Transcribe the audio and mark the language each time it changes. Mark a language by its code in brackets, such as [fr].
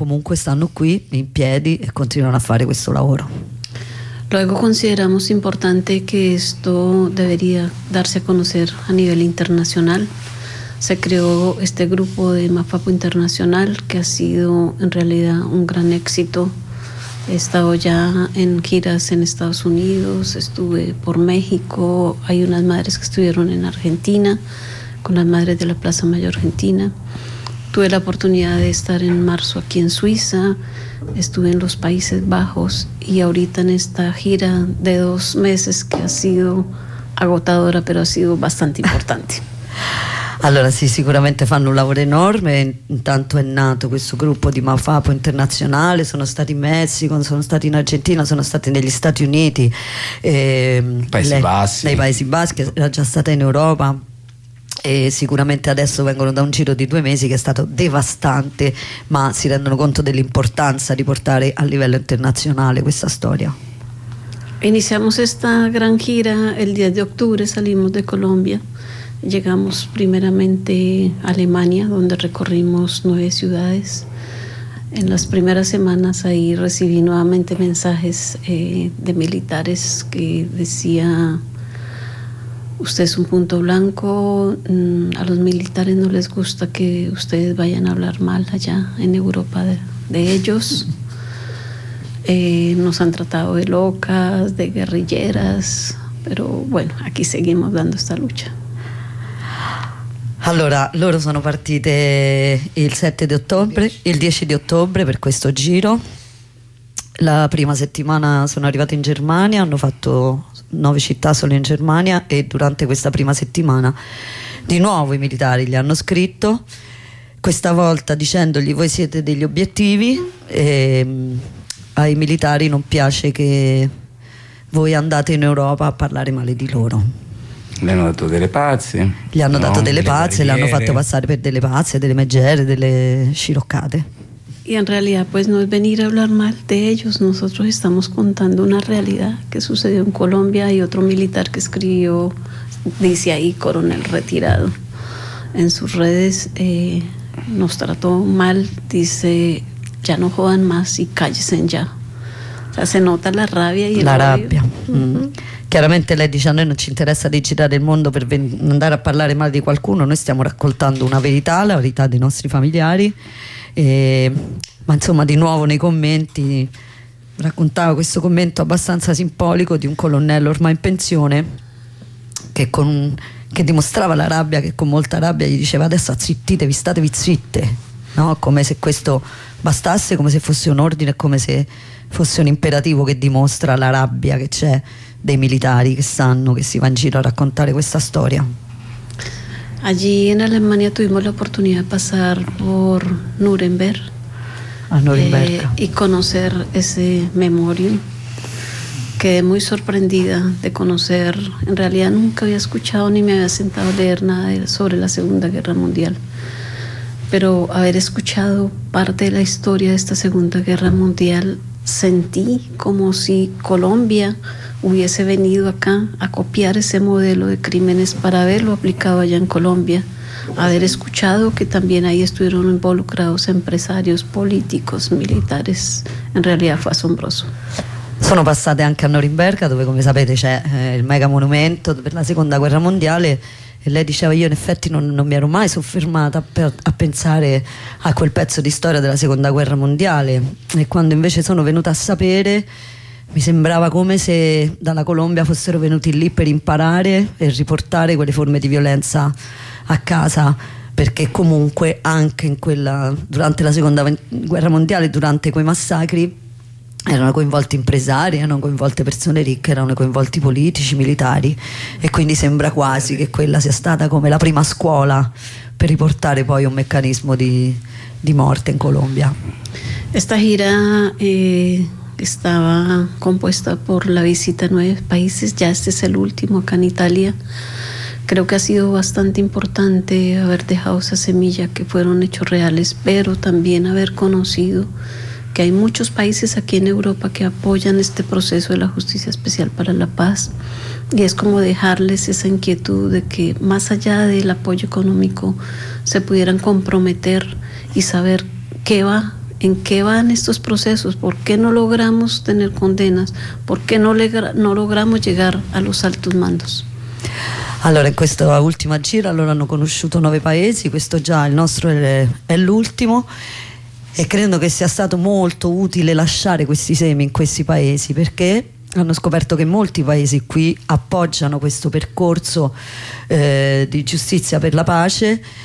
[it] Comunque stanno qui in piedi e continuano a fare questo lavoro. [es] Luego consideramos importante que esto debería darse a conocer a nivel internacional. Se creó este grupo de Mafapo Internacional que ha sido en realidad un gran éxito. He estado ya en giras en Estados Unidos, estuve por México, hay unas madres que estuvieron en Argentina, con las madres de la Plaza Mayor Argentina. Tuve la oportunidad de estar en marzo aquí en Suiza, estuve en los Países Bajos y ahorita en esta gira de 2 meses que ha sido agotadora, pero ha sido bastante importante. [it] Allora sì, sicuramente fanno un lavoro enorme. Intanto è nato questo gruppo di Mafapo Internazionale, sono stati in Messico, sono stati in Argentina, sono stati negli Stati Uniti, nei Paesi Bassi, era già stata in Europa e sicuramente adesso vengono da un giro di 2 mesi che è stato devastante, ma si rendono conto dell'importanza di portare a livello internazionale questa storia. [es] Iniziamos esta gran gira el 10 de octubre, salimos de Colombia. Llegamos primeramente a Alemania, donde recorrimos 9 ciudades. En las primeras semanas ahí recibí nuevamente mensajes de militares que decía: usted es un punto blanco, a los militares no les gusta que ustedes vayan a hablar mal allá en Europa de ellos. Nos han tratado de locas, de guerrilleras, pero bueno, aquí seguimos dando esta lucha. [it] Allora, loro sono partite il 7 di ottobre, il 10 di ottobre per questo giro. La prima settimana sono arrivate in Germania, hanno fatto 9 città solo in Germania e durante questa prima settimana di nuovo i militari gli hanno scritto, questa volta dicendogli voi siete degli obiettivi e ai militari non piace che voi andate in Europa a parlare male di loro. Le hanno dato delle pazze. Gli hanno dato delle pazze, le hanno fatto passare per delle pazze, delle megere, delle sciroccate. [es] Y en realidad pues no es venir a hablar mal de ellos, nosotros estamos contando una realidad que sucedió en Colombia y otro militar que escribió, dice ahí coronel retirado, en sus redes nos trató mal, dice ya no jodan más y cállense ya. O sea, se nota la rabia y [it] la rabbia. Chiaramente lei dice a noi non ci interessa di girare il mondo per andare a parlare male di qualcuno, noi stiamo raccontando una verità, la verità dei nostri familiari, ma insomma di nuovo nei commenti raccontava questo commento abbastanza simbolico di un colonnello ormai in pensione che dimostrava la rabbia, che con molta rabbia gli diceva adesso azzittitevi, statevi zitte, no? Come se questo bastasse, come se fosse un ordine, come se fosse un imperativo che dimostra la rabbia che c'è dei militari che sanno che si va in giro a raccontare questa storia. [es] Allí en Alemania tuvimos la oportunidad de pasar por Nuremberg. [it] A Nuremberg. [es] Y conocer ese memorial. Quedé muy sorprendida de conocer, en realidad nunca había escuchado ni me había sentado a leer nada sobre la Segunda Guerra Mundial. Pero haber escuchado parte de la historia de esta Segunda Guerra Mundial, sentí como si Colombia hubiese venido acá a copiar ese modelo de crímenes para haberlo aplicado allá en Colombia. Haber escuchado que también ahí estuvieron involucrados empresarios, políticos, militares, en realidad fue asombroso. [it] Sono passate anche a Norimberga, dove come sapete c'è il mega monumento per la Seconda Guerra Mondiale, e lei diceva io in effetti non mi ero mai soffermata a pensare a quel pezzo di storia della Seconda Guerra Mondiale, e quando invece sono venuta a sapere mi sembrava come se dalla Colombia fossero venuti lì per imparare e riportare quelle forme di violenza a casa, perché comunque anche in quella, durante la Seconda Guerra Mondiale, durante quei massacri erano coinvolti impresari, erano coinvolte persone ricche, erano coinvolti politici, militari, e quindi sembra quasi che quella sia stata come la prima scuola per riportare poi un meccanismo di morte in Colombia. Questa gira stava composta per la visita a 9 paesi, già questo è l'ultimo acá in Italia. [es] Creo que ha sido bastante importante haber dejado esa semilla, que fueron hechos reales, pero también haber conocido que hay muchos países aquí en Europa que apoyan este proceso de la Justicia Especial para la Paz, y es como dejarles esa inquietud de que más allá del apoyo económico se pudieran comprometer y saber qué va, en qué van estos procesos, por qué no logramos tener condenas, por qué no logramos llegar a los altos mandos. [it] Allora, in questa ultima gira loro hanno conosciuto 9 paesi, questo già il nostro è l'ultimo, e credo che sia stato molto utile lasciare questi semi in questi paesi, perché hanno scoperto che molti paesi qui appoggiano questo percorso di giustizia per la pace,